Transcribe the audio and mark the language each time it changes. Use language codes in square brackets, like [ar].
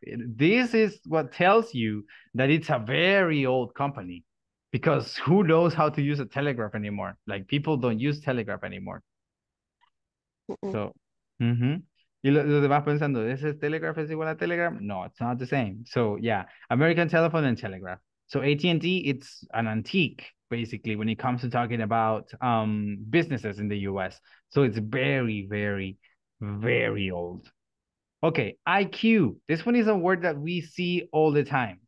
[en] This is what tells you that it's a very old company, because who knows how to use a telegraph anymore? Like, people don't use telegraph anymore. So, mm-hmm. [es] Y lo demás pensando, ¿es el telegraph es igual a telegram? [en] No, it's not the same. So, yeah, American telephone and telegraph. So AT&T, it's an antique, basically, when it comes to talking about businesses in the US. So it's very, very, very old. Okay, IQ. This one is a word that we see all the time.